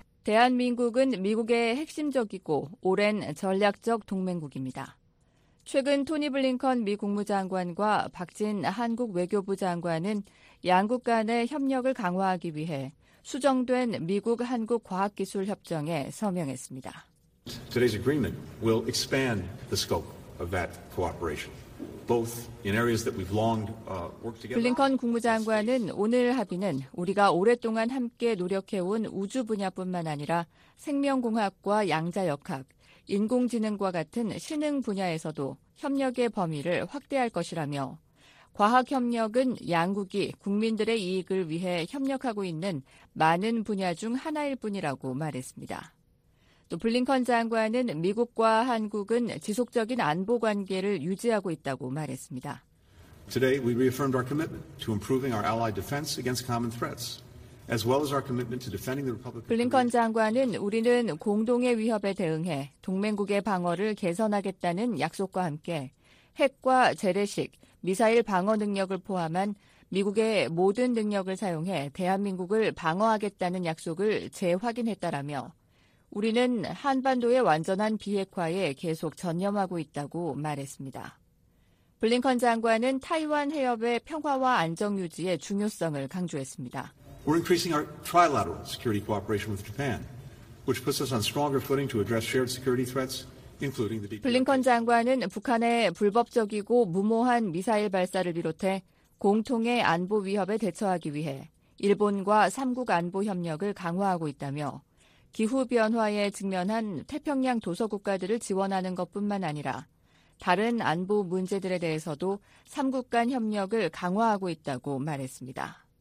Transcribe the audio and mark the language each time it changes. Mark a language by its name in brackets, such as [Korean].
[Korean] 대한민국은 미국의 핵심적이고 오랜 전략적 동맹국입니다. 최근 토니 블링컨 미 국무장관과 박진 한국 외교부 장관은 양국 간의 협력을 강화하기 위해 수정된 미국-한국 과학기술협정에 서명했습니다. [English] Today's agreement will expand the scope of that cooperation. Both in areas that we've long worked together. [Korean] 블링컨 국무장관은 오늘 합의는 우리가 오랫동안 함께 노력해온 우주 분야뿐만 아니라 생명공학과 양자역학, 인공지능과 같은 신흥 분야에서도 협력의 범위를 확대할 것이라며 과학협력은 양국이 국민들의 이익을 위해 협력하고 있는 많은 분야 중 하나일 뿐이라고 말했습니다. 또 블링컨 장관은 미국과 한국은 지속적인 안보 관계를 유지하고 있다고 말했습니다. [English] Today we reaffirmed our commitment to improving our allied defense against common threats, as well as our commitment to defending the Republic. [Korean] 블링컨 장관은 우리는 공동의 위협에 대응해 동맹국의 방어를 개선하겠다는 약속과 함께 핵과 재래식, 미사일 방어 능력을 포함한 미국의 모든 능력을 사용해 대한민국을 방어하겠다는 약속을 재확인했다라며 우리는 한반도의 완전한 비핵화에 계속 전념하고 있다고 말했습니다. 블링컨 장관은 타이완 해협의 평화와 안정 유지의 중요성을 강조했습니다. [English] We're increasing our trilateral security cooperation with Japan, which puts us on stronger footing to address shared security threats, including the DPRK. [Korean] 블링컨 장관은 북한의 불법적이고 무모한 미사일 발사를 비롯해 공통의 안보 위협에 대처하기 위해 일본과 3국 안보 협력을 강화하고 있다며 기후변화에 직면한 태평양 도서 국가들을 지원하는 것뿐만 아니라 다른 안보 문제들에 대해서도 3국 간 협력을 강화하고 있다고 말했습니다.